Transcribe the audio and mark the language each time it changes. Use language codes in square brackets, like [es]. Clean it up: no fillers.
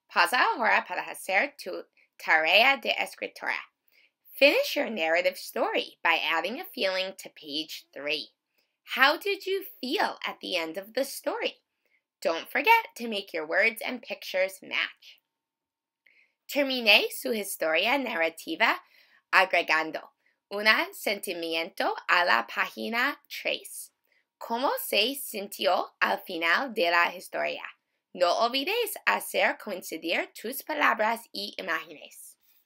[es] Pausa ahora para hacer tu tarea de escritora. [en] Finish your narrative story by adding a feeling to page 3. How did you feel at the end of the story? Don't forget to make your words and pictures match. [es] Termine su historia narrativa agregando un sentimiento a la página 3. ¿Cómo se sintió al final de la historia? No olvides hacer coincidir tus palabras y imágenes.